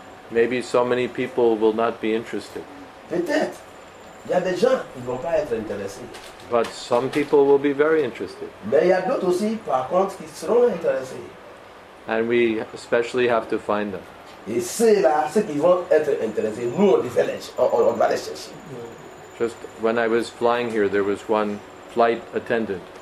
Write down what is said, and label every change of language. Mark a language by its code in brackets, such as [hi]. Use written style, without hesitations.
[en] Maybe so many people will not be interested. [fr] Peut-être. Il y a des gens qui ne vont pas être intéressés. [en] But some people will be very interested. [fr] Mais il y a d'autres aussi, par contre, qui seront intéressés. [en] And we especially have to find them. [fr] Et ceux-là, ceux qui vont être intéressés, nous, on va les chercher. [en] Just when I was flying here, there was one flight attendant.